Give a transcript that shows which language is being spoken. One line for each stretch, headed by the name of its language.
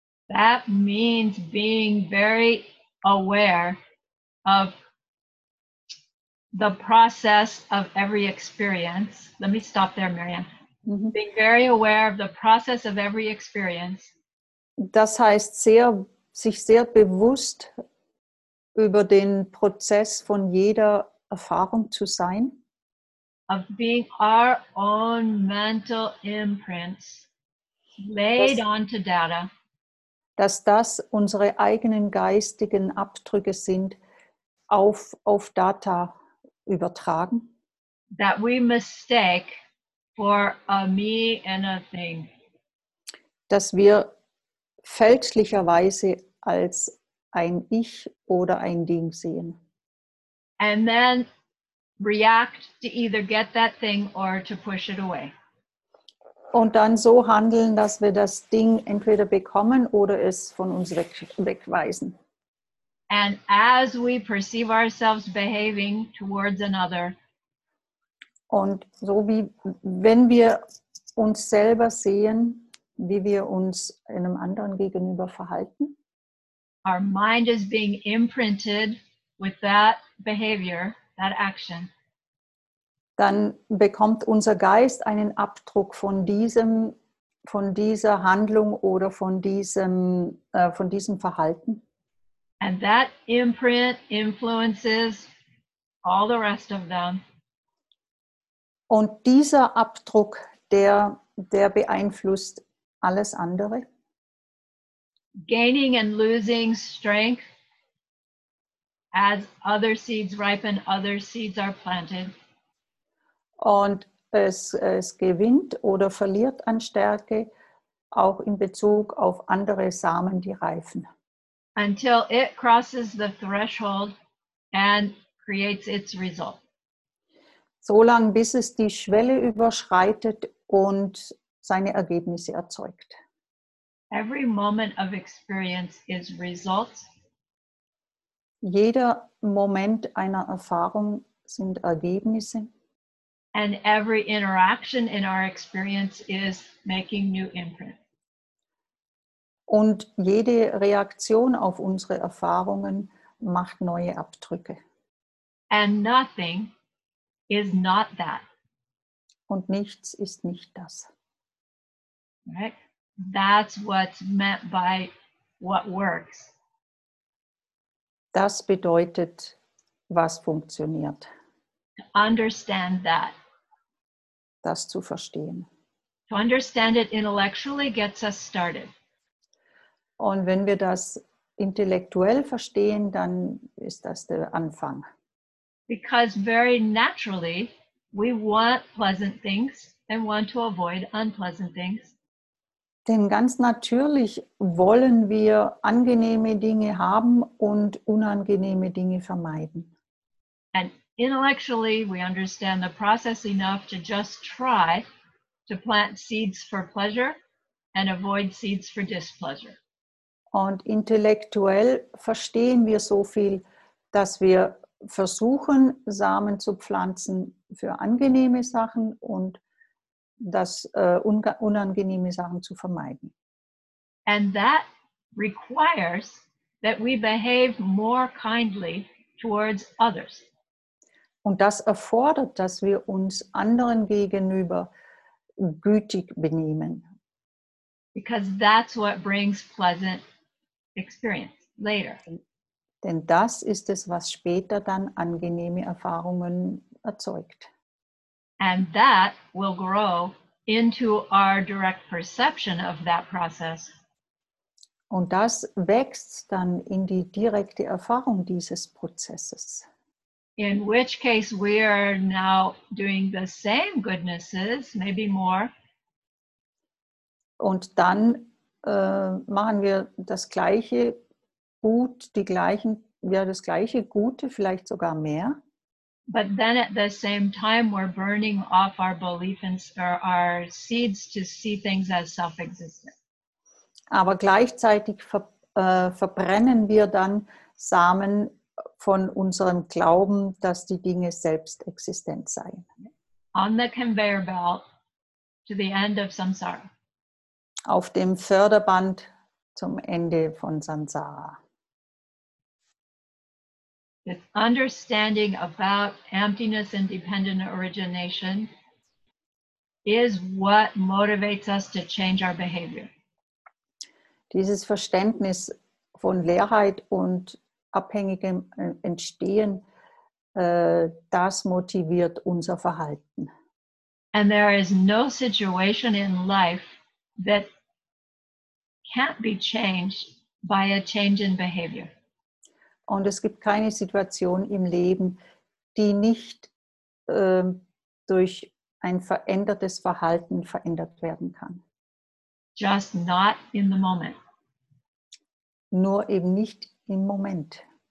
English: That means being very aware of the process of every experience. Let me stop there, Miriam. Mm-hmm. Being very aware of the process of every experience.
German: Das heißt, sich sehr bewusst über den Prozess von jeder Erfahrung zu sein.
English: Of being our own mental imprints laid onto data.
German: Dass das unsere eigenen geistigen Abdrücke sind, auf Data übertragen.
English: That we mistake for a me and a thing.
German: Dass wir fälschlicherweise als ein Ich oder ein Ding sehen.
English: And then react to either get that thing or to push it away.
German: Und dann so handeln, dass wir das Ding entweder bekommen oder es von uns wegweisen.
English: And as we perceive ourselves behaving towards another.
German: Und so wie, wenn wir uns selber sehen, wie wir uns einem anderen gegenüber verhalten.
English: Our mind is being imprinted with that behavior, that action.
German: Dann bekommt unser Geist einen Abdruck von dieser Handlung oder von diesem Verhalten.
English: And that imprint influences all the rest of them.
German: Und dieser Abdruck, der beeinflusst alles andere.
English: Gaining and losing strength as other seeds ripen, other seeds are planted.
German: Und es gewinnt oder verliert an Stärke, auch in Bezug auf andere Samen, die reifen.
English: Until it crosses the threshold and creates its result.
German: So lange, bis es die Schwelle überschreitet und seine Ergebnisse erzeugt.
English: Every moment of experience is result.
German: Jeder Moment einer Erfahrung sind Ergebnisse.
English: And every interaction in our experience is making new imprint.
German: Und jede Reaktion auf unsere Erfahrungen macht neue Abdrücke.
English: And nothing is not that.
German: Und nichts ist nicht das.
English: Right? That's what's meant by what works.
German: Das bedeutet, was funktioniert.
English: To understand that.
German: Das zu verstehen.
English: To understand it intellectually gets us started.
German: Und wenn wir das intellektuell verstehen, dann ist das der Anfang.
English: Because very naturally we want pleasant things and want to avoid unpleasant things.
German: Denn ganz natürlich wollen wir angenehme Dinge haben und unangenehme Dinge vermeiden.
English: And intellectually, we understand the process enough to just try to plant seeds for pleasure and avoid seeds for displeasure.
German: Und intellektuell verstehen wir so viel, dass wir versuchen, Samen zu pflanzen für angenehme Sachen und das unangenehme Sachen zu vermeiden.
English: And that requires that we behave more kindly towards others.
German: Und das erfordert, dass wir uns anderen gegenüber gütig benehmen.
English: Because that's what brings pleasant experience later.
German: Denn das ist es, was später dann angenehme Erfahrungen erzeugt.
English: And that will grow into our direct perception of that process.
German: Und das wächst dann in die direkte Erfahrung dieses Prozesses.
English: In which case we are now doing the same goodnesses, maybe more.
German: Und dann machen wir das gleiche Gut, die gleichen, ja, das gleiche Gute, vielleicht sogar mehr.
English: But then at the same time we're burning off our belief in our seeds to see things as self-existent.
German: Aber gleichzeitig verbrennen wir dann Samen von unserem Glauben, dass die Dinge selbst existent seien.
English: On the conveyor belt to the end of samsara.
German: Auf dem Förderband zum Ende von Samsara.
English: This understanding about emptiness and dependent origination is what motivates us to change our behavior.
German: Dieses Verständnis von Leerheit und abhängigem Entstehen, das motiviert unser Verhalten.
English: And there is no situation in life that can't be changed by a change in behavior.
German: Und es gibt keine Situation im Leben, die nicht durch ein verändertes Verhalten verändert werden kann.
English: Just not in the moment.
German: Nur eben nicht im Moment.